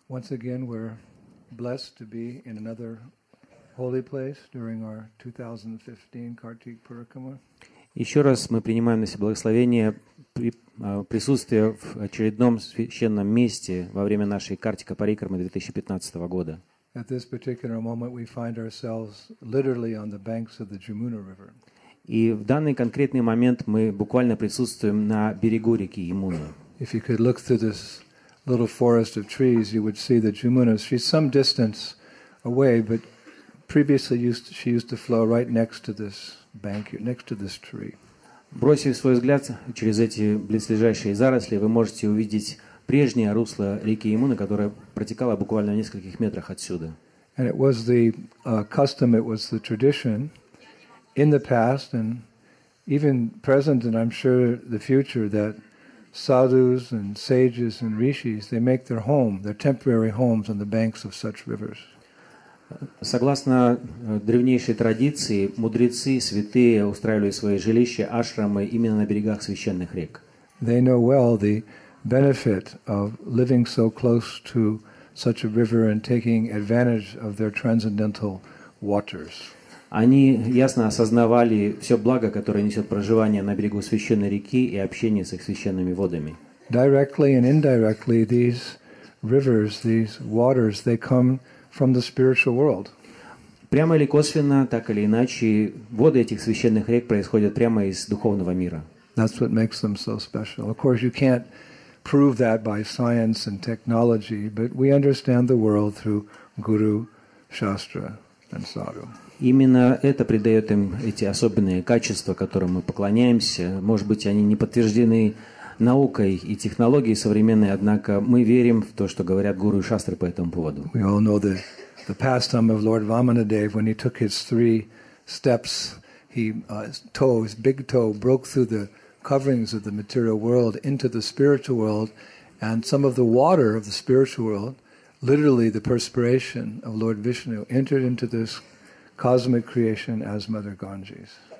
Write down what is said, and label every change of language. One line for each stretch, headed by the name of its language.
English: Once again, we're blessed to be in another holy place during our 2015 Kartik Purakama.
Russian: Еще раз мы принимаем на себя благословение присутствия в очередном священном месте во время нашей Картика Парикрамы 2015 года.
English: At this particular moment we find ourselves literally on the banks of the Jamuna River.
Russian: И в данный конкретный момент мы буквально присутствуем на берегу реки Ямуны.
English: If you could look through this little forest of trees, you would see the Jamuna. She's some distance away, but previously she used to flow right next to this bank, next to this tree.
Russian: Бросив свой взгляд через эти близлежащие заросли, вы можете увидеть прежнее русло реки Ямуны, которое протекало буквально в нескольких метрах отсюда.
English: And it was the custom, it was the tradition in the past and even present, and I'm sure the future, that sadhus and sages and rishis, they make their home, their temporary homes on the banks of such rivers.
Russian: Согласно древнейшей традиции, мудрецы, святые устраивали свои жилища, ашрамы именно на берегах священных рек.
English: They know well the benefit of living so close to such a river and taking advantage of their transcendental waters.
Russian: Они ясно осознавали все благо, которое несет проживание на берегу священной реки и общение с их священными водами.
English: Directly and indirectly, these rivers, these waters, they come from the spiritual world.
Russian: Прямо или косвенно, так или иначе, воды этих священных рек происходят прямо из духовного мира.
English: That's what makes them so special. Of course, you can't prove that by science and technology, but we understand the world through guru, shastra, and sadhu.
Russian: Именно это придает им эти особенные качества, которым мы поклоняемся. Может быть, они не подтверждены наукой и технологией современной, однако мы верим в то, что говорят гуру и шастры по этому поводу.
English: We all know the pastime of Lord Vamanadev when he took his three steps, his big toe broke through the coverings of the material world into the spiritual world, and some of the water of the spiritual world, literally the perspiration of Lord Vishnu, entered into this cosmic creation as Mother Ganges.